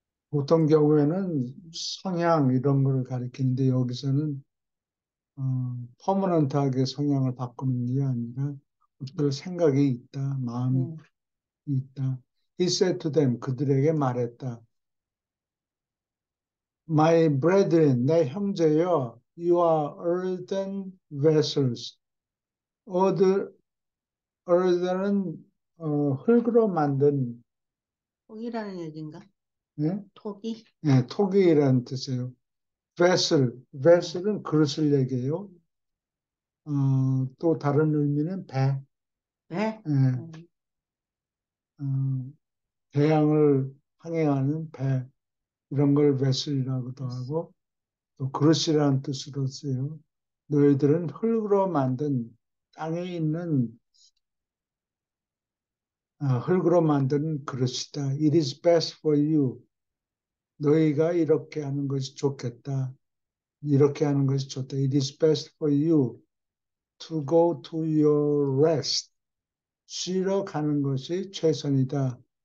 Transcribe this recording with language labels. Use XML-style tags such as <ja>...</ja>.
<ko>보통 경우에는 성향 이런 걸 가리키는데 여기서는 퍼머넌트하게 성향을 바꾸는 게 아니라 어떤 생각이 있다, 마음이 있다.</ko> <en>He said to them,</en> <ko>그들에게 말했다.</ko> <en>My brethren,</en> <ko>내 형제여,</ko> <en>you are earthen vessels.</en> <ko>Earthen은 흙으로 만든, 독이라는 얘기인가? 네? 독이? 네, 토기라는 뜻이에요. Vessel은 그릇을 얘기해요. 또 다른 의미는 배. 왜? 네. 배양을 항해하는 배. 이런 걸 vessel이라고도 하고, 또 그릇이라는 뜻으로 쓰여요. 너희들은 흙으로 만든, 땅에 있는, 흙으로 만든 그릇이다.</ko> <en>It is best for you.</en> <ko>너희가 이렇게 하는 것이 좋겠다. 이렇게 하는 것이 좋다.</ko> <en>It is best for you to go to your rest.</en> <ko>쉬러 가는 것이 최선이다.</ko>